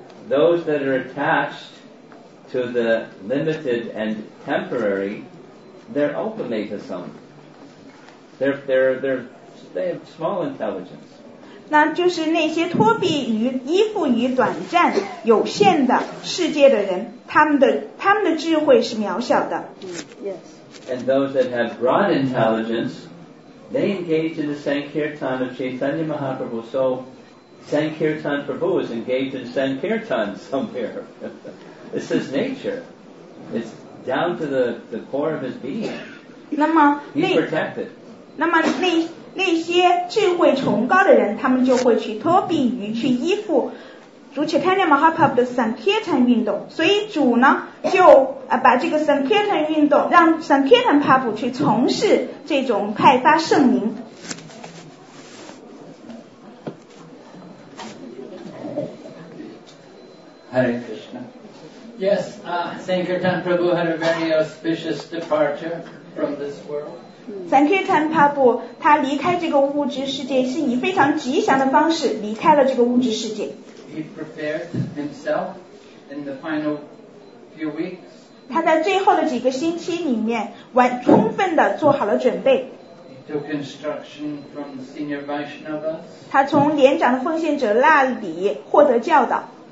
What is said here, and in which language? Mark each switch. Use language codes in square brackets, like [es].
[en] Those that are attached to the limited and temporary they're ultimate to some they have small intelligence [zh] 那就是那些脱避于依附于短暂有限的世界的人，他们的智慧是渺小的。 [en] Yes. And those that have broad intelligence, they engage in the Sankirtan of Chaitanya Mahaprabhu. So Sankirtan Prabhu is engaged in Sankirtan somewhere. This is nature. It's down to the core of his being. He's protected. [zh] 那么那些智慧崇高的人，他们就会去脱避于去依附主切坦尼马哈帕布的 Sankirtan 运动，所以主呢就把这个 Sankirtan 运动让 Sankirtan 帕布去从事这种派发圣灵。 [en] Hare Krishna. Yes, Sankirtan Prabhu had a very auspicious departure from this world. [zh] Sankirtan Prabhu, 他离开这个物质世界是以非常吉祥的方式离开了这个物质世界。 [en] He prepared himself in the final few weeks. [zh] 他在最后的几个星期里面完充分地做好了准备。 [en] He took instruction from the senior Vaishnavas. [zh] 他从年长的奉献者那里获得教导。